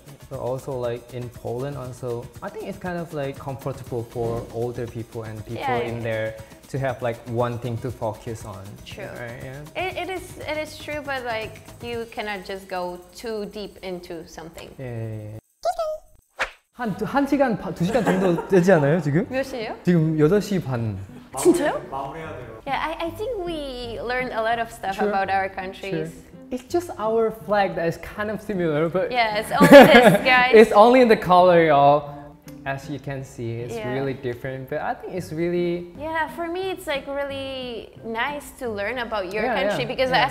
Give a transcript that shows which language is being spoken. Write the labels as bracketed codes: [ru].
[en] So also like in Poland, also I think it's kind of like comfortable for older people and people in there to have like one thing to focus on. True. Right? Yeah. It is true, but like you cannot just go too deep into something. Yeah. [ko] 한 시간, 두 시간 정도 되지 않아요, 지금? 몇 시예요? 지금 8시 반. 진짜요? 마무리해야 돼요. [en] Yeah, I think we learned a lot of stuff about our countries. True. It's just our flag that is kind of similar, but... Yeah, it's only this, guys. It's only in the color, y'all. As you can see, it's really different, but I think it's really... Yeah, for me, it's like really nice to learn about your country, because